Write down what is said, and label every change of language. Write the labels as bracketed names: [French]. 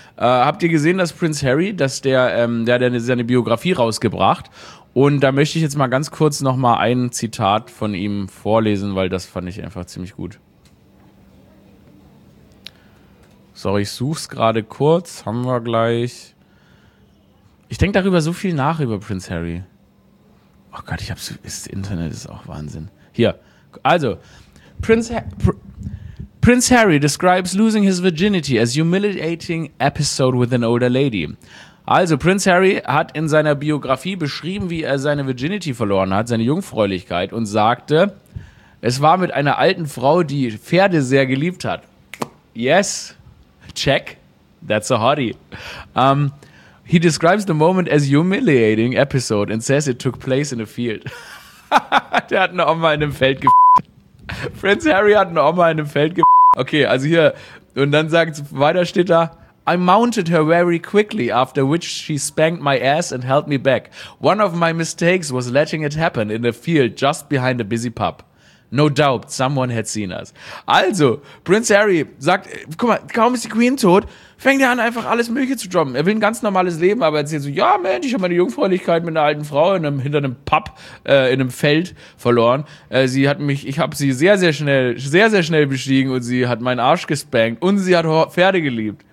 [German] Habt ihr gesehen, dass Prince Harry, der hat seine Biografie rausgebracht und da möchte ich jetzt mal ganz kurz nochmal ein Zitat von ihm vorlesen, weil das fand ich einfach ziemlich gut. Sorry, ich such's gerade kurz, haben wir gleich. Ich denke darüber so viel nach, über Prince Harry. Oh Gott, ich hab's, das Internet ist auch Wahnsinn. Hier. [English] Also, Prince Harry describes losing his virginity as humiliating episode with an older lady. [German] Also, Prince Harry hat in seiner Biografie beschrieben, wie er seine Virginity verloren hat, seine Jungfräulichkeit, und sagte, es war mit einer alten Frau, die Pferde sehr geliebt hat. [English] Yes, check, that's a hottie. He describes the moment as humiliating episode and says it took place in a field. [German] Der hat eine Oma in einem Feld ge***t. Prince Harry hat eine Oma in einem Feld ge***t. Okay, also hier. Und dann sagt weiter steht da. [English] I mounted her very quickly, after which she spanked my ass and held me back. One of my mistakes was letting it happen in the field just behind a busy pub. No doubt, someone had seen us. [German] Also, Prince Harry sagt, guck mal, kaum ist die Queen tot, fängt er an, einfach alles Mögliche zu droppen. Er will ein ganz normales Leben, aber er erzählt so, ja, Mensch, ich habe meine Jungfräulichkeit mit einer alten Frau hinter einem Pub, in einem Feld verloren. Ich habe sie sehr, sehr schnell bestiegen und sie hat meinen Arsch gespankt und sie hat Pferde geliebt.